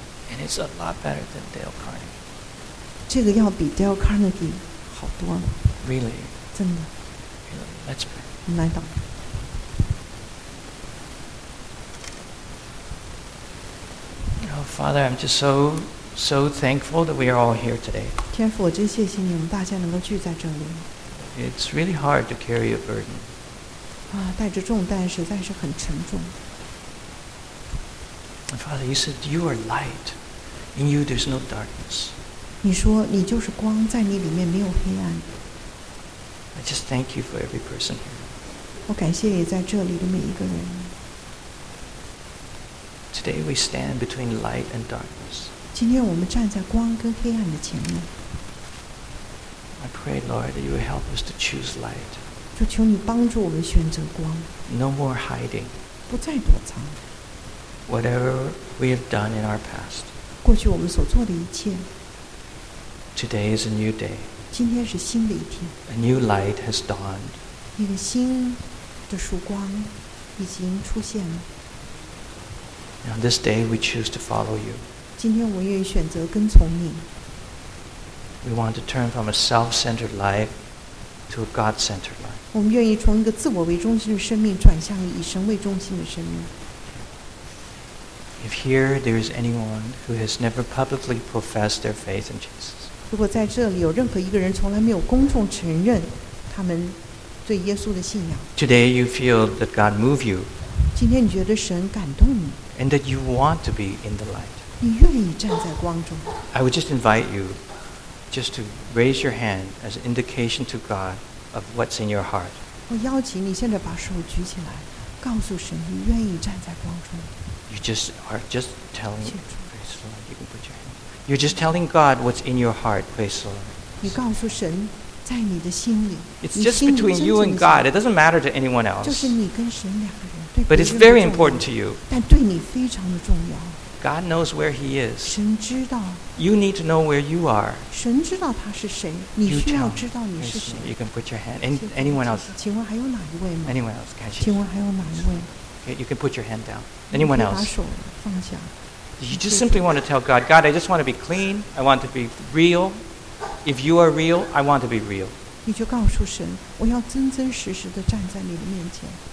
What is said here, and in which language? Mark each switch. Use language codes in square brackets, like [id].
[en] and it's a lot better than Dale Carnegie. [zh] 这个要比 Dale Carnegie 好多了 [en] really [zh] 真的 [en] really. Let's pray. [zh] 我们来祷告 [en] Oh, Father, I'm just so thankful that we are all here today. [zh] 天父，我真谢谢你，我们大家能够聚在这里。 [en] It's really hard to carry a burden. [zh] 啊，带着重担实在是很沉重。 [en] Father, you said you are light, in you there's no darkness. [zh] 你说你就是光，在你里面没有黑暗。 [en] I just thank you for every person here. [zh] 我感谢也在这里的每一个人。 [en] Today we stand between light and darkness. [zh] 今天我们站在光跟黑暗的前面。 [en] I pray, Lord, that you will help us to choose light. [zh] 就求你帮助我们选择光。 [en] No more hiding. [zh] 不再躲藏。 [en] Whatever we have done in our past. [zh] 过去我们所做的一切。 [en] Today is a new day. [zh] 今天是新的一天。 [en] A new light has dawned. [zh] 一个新的曙光已经出现了。 [en] And on this day, we choose to follow you. [zh] 今天我愿意选择跟从你。 [en] We want to turn from a self-centered life to a God-centered life. [zh] 我们愿意从一个自我为中心的生命转向以神为中心的生命。 [en] If here there is anyone who has never publicly professed their faith in Jesus, [zh] 如果在这里有任何一个人从来没有公众承认他们对耶稣的信仰。 [en] Today you feel that God move you. [zh] 今天你觉得神感动你。 [en] And that you want to be in the light. [zh] 你愿意站在光中。 [en] I would just invite you just to raise your hand as an indication to God of what's in your heart. [zh] 我邀请你现在把手举起来，告诉神你愿意站在光中。 [en] You just are just telling. Praise the Lord, you can put your hand. You're just telling God what's in your heart. Praise the Lord. [zh] 你告诉神在你的心里。 [en] It's just between you and God. It doesn't matter to anyone else. [zh] 就是你跟神两个人。 [en] But it's very important to you. [zh] 但对你非常的重要。 [en] God knows where He is. [zh] 神知道。 [en] You need to know where you are. [zh] 神知道他是谁，你需要知道你是谁。 [en] You can put your hand. Anyone else? [zh] 请问还有哪一位吗 [en] ？Anyone else? [zh] 感谢。请问还有哪一位 [en] ？You can put your hand down. Anyone else? [zh] 把手放下。 [en] You just simply want to tell God, God, I just want to be clean. I want to be real. If you are real, I want to be real. [zh] 你就告诉神，我要真真实实的站在你的面前。